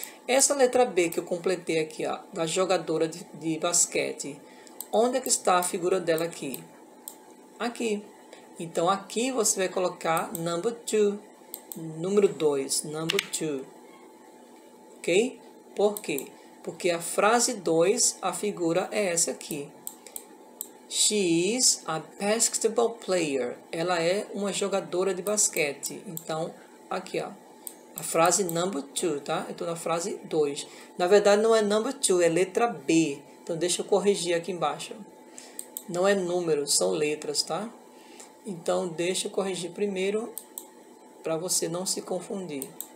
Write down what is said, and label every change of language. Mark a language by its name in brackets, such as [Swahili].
[Portuguese] Essa letra B que eu completei aqui, ó, da jogadora de basquete, onde é que está a figura dela aqui? Aqui. Então, aqui você vai colocar [English] number two, [Portuguese] número 2, number two. Ok? Por quê? Porque a frase 2, a figura é essa aqui. [English] She is a basketball player. [Portuguese] Ela é uma jogadora de basquete. Então, aqui, ó. A frase [English] number two, [Portuguese] tá? Eu tô na frase 2. Na verdade, não é number two, é letra B. Então, deixa eu corrigir aqui embaixo. Não é número, são letras, tá? Então, deixa eu corrigir primeiro para você não se confundir.